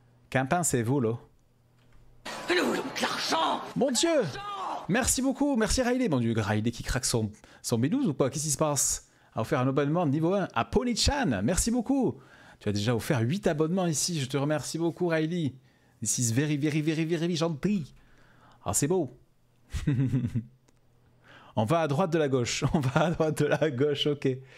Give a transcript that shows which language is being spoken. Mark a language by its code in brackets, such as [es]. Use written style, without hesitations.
[fr] Qu'en pensez-vous, là? Nous voulons de l'argent! Mon dieu! Merci beaucoup, merci Riley. Mon dieu, Riley qui craque son B12 ou quoi? Qu'est-ce qui se passe? A offert un abonnement de niveau 1 à Pony-chan, merci beaucoup. Tu as déjà offert 8 abonnements ici, je te remercie beaucoup Riley. [en] This is very, very, very, very, very gentil. [fr] Ah, c'est beau. On va à droite de la gauche, on va à droite de la gauche, ok.